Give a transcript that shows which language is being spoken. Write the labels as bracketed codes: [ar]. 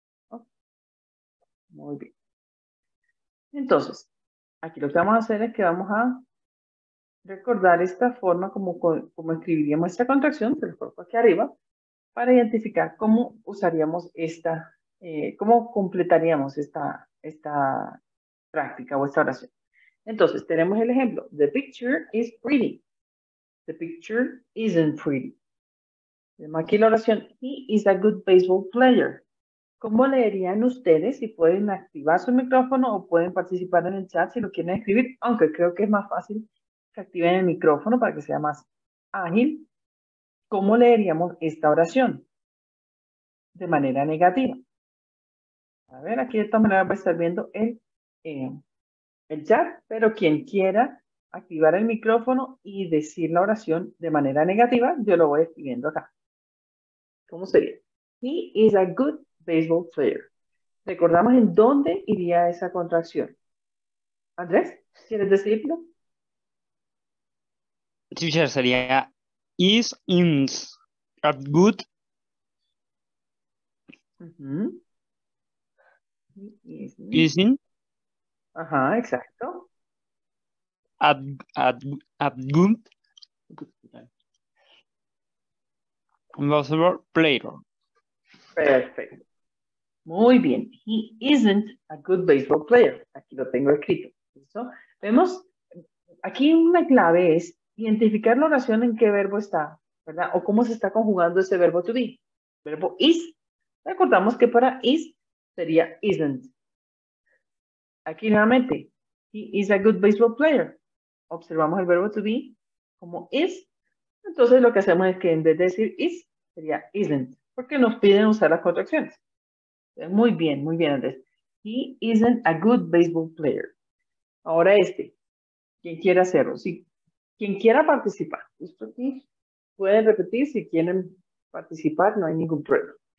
[es] Oh, muy bien. Entonces, aquí lo que vamos a hacer es que vamos a recordar esta forma como escribiríamos esta contracción, se lo coloco aquí arriba, para identificar cómo usaríamos esta, cómo completaríamos esta práctica o esta oración. Entonces, tenemos el ejemplo. [en] The picture is pretty. The picture isn't pretty. [es] Tenemos aquí la oración, [en] he is a good baseball player. [es] ¿Cómo leerían ustedes? Si pueden activar su micrófono o pueden participar en el chat si lo quieren escribir, aunque creo que es más fácil que activen el micrófono para que sea más ágil. ¿Cómo leeríamos esta oración? De manera negativa. A ver, aquí de esta manera va a estar viendo el chat, pero quien quiera activar el micrófono y decir la oración de manera negativa, yo lo voy escribiendo acá. ¿Cómo sería? [en] He is a good baseball player. [es] Recordamos en dónde iría esa contracción. Andrés, ¿quieres decirlo? [en] Teacher, [es] sería [en] is in at good. Uh-huh. Is in. [es] Ajá, exacto. [en] At good. Ambassador player. [es] Perfecto. Muy bien. [en] He isn't a good baseball player. [es] Aquí lo tengo escrito. ¿Listo? Vemos, aquí una clave es identificar la oración en qué verbo está, ¿verdad? O cómo se está conjugando ese verbo to be. Verbo is. Recordamos que para is sería isn't. Aquí nuevamente, [en] he is a good baseball player. [es] Observamos el verbo to be como is. Entonces lo que hacemos es que en vez de decir is, sería isn't. Porque nos piden usar las contracciones. Muy bien, Andrés. [en] He isn't a good baseball player. [es] Ahora este, quien quiera hacerlo, sí. Quien quiera participar, esto aquí, pueden repetir si quieren participar, no hay ningún problema.